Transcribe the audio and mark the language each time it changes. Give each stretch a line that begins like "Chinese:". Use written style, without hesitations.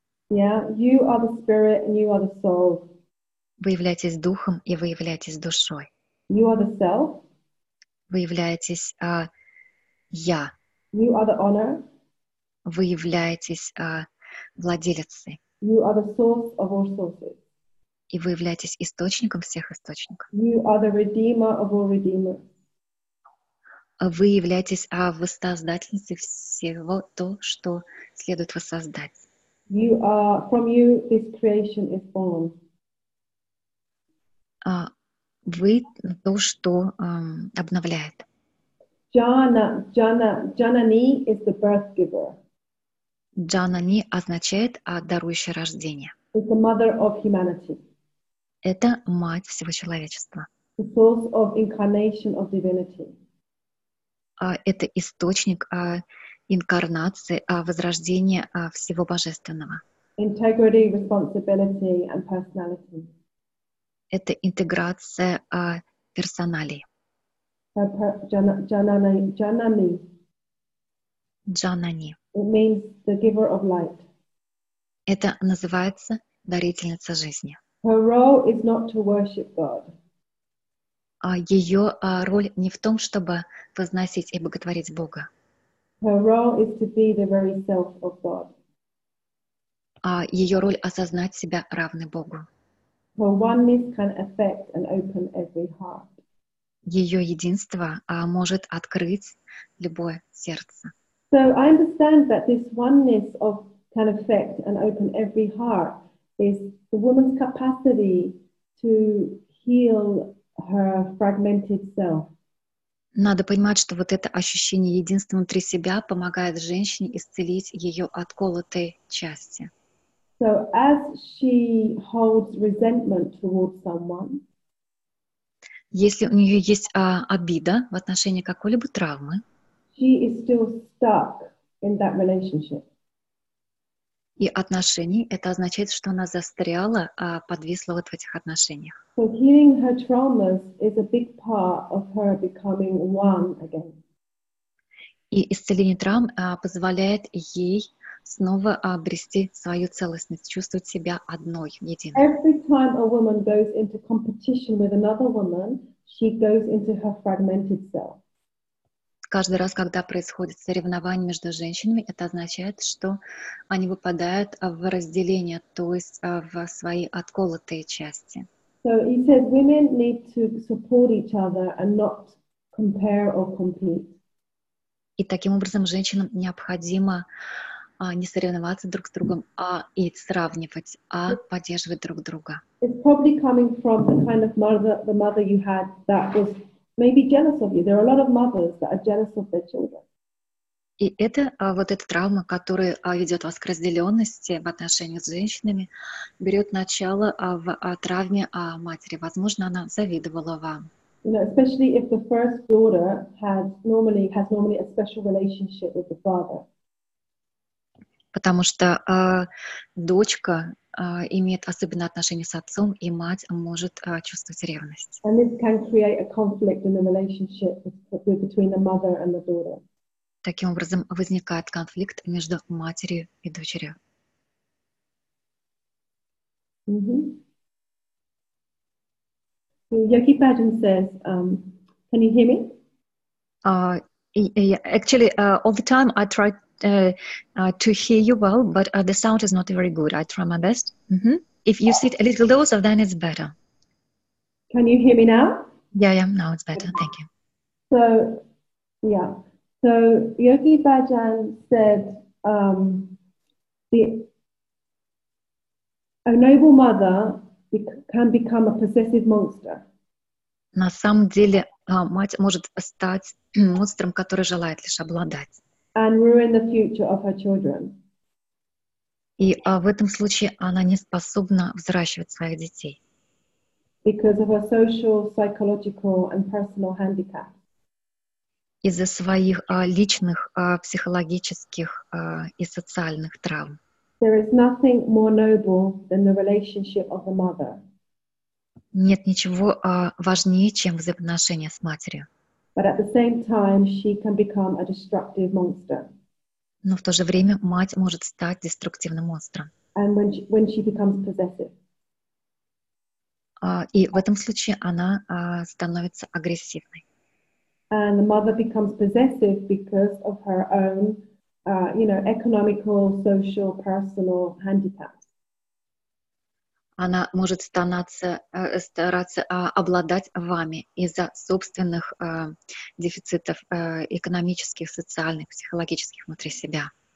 English: Yeah, you are the spirit and you are the soul.
Russian: Вы являетесь духом и вы являетесь душой.
English: You are the self.
Russian: Вы являетесь я.
English: You are the owner.
Russian: Вы являетесь владелицей.
English: You are the source of all sources.
Russian: И вы являетесь источником всех источников.
English: You are the redeemer of all redeemers.
Russian: Вы являетесь воссоздательницей всего то, что следует воссоздать.
English: You are from you this creation is born.
Russian: Вы то, что обновляет.
English: Janani is the birth giver.
Russian: Janani означает дарующее рождение.
English: It's the mother of humanity.
Russian: Это мать всего человечества.
English: The source of incarnation of divinity.
Russian: Это источник инкарнации, возрождения всего божественного.
English: Integrity, responsibility, and personality.
Russian: Это интеграция персоналей.
English: Janani.
Russian: Janani.
English: It means the giver of light.
Russian: Это называется дарительница жизни.
English: Her role is not to worship God.
Russian: Ее роль не в том, чтобы возносить и боготворить Бога.
English: Her role is to be the very self of God.
Russian: Ее роль осознать себя равной Богу.
English: Her oneness can affect and open every heart.
Russian: Ее единство может открыть любое сердце.
English: So I understand that this oneness of can affect and open every heart is the woman's capacity to heal her fragmented self.
Russian: Надо понимать, что вот это ощущение единства внутри себя помогает женщине исцелить ее отколотые части.
English: So as she holds resentment towards someone,
Russian: если у нее есть обида в отношении какой-либо травмы,
English: she is still stuck in that relationship.
Russian: И отношений, это означает, что она застряла, подвисла вот в этих отношениях.
English: So healing her traumas is a big part of her becoming one again.
Russian: И исцеление травм позволяет ей снова обрести свою целостность, чувствовать себя одной, единой.
English: Every time a woman goes into competition with another woman, she goes into her fragmented self.
Russian: Каждый раз, когда происходит соревнование между женщинами, это означает, что они выпадают в разделение, то есть в свои отколотые части.
English: So he says women need to support each other and not compare or compete.
Russian: И таким образом женщинам необходимо не соревноваться друг с другом, а и сравнивать, а поддерживать друг друга.
English: It's probably coming from the kind of mother, the mother you had that was maybe jealous of you. There are a lot of mothers that are jealous of their children.
Russian: И это вот эта травма, которая ведет вас к разделенности в отношениях с женщинами, берет начало в травме матери. Возможно, она завидовала вам.
English: You know, especially if the first daughter has normally a special relationship with the father.
Russian: Потому что дочка имеет особенное отношение с отцом, и мать может чувствовать ревность.
English: And this can create a conflict in the relationship between the mother and the daughter.
Russian: Таким образом, возникает конфликт между матерью и дочерью.
English: Mm-hmm. Yogi Bhajan says, can you hear me? All the time I try to hear you well, but the sound is not very good. I try my best. Mm-hmm. If you sit a little closer, then it's better. Can you hear me now? Yeah, now it's better. Thank you. So Yogi Bhajan said, a noble mother can become a possessive monster.
Russian: На самом деле, мать может стать монстром, который желает лишь обладать.
English: And ruin the future of her children.
Russian: И в этом случае она не способна взращивать своих детей.
English: Because of her social, psychological, and personal handicap.
Russian: Из-за своих личных, психологических и социальных травм.
English: There is nothing more noble than the relationship of the mother.
Russian: Нет ничего важнее, чем взаимоотношения с матерью.
English: But at the same time, she can become a destructive monster.
Russian: Но в то же время мать может стать деструктивным монстром.
English: And when she becomes possessive.
Russian: И в этом случае она становится агрессивной.
English: And the mother becomes possessive because of her own, economical, social, personal handicap.
Russian: Она может стараться обладать вами из-за собственных дефицитов экономических, социальных, психологических внутри себя.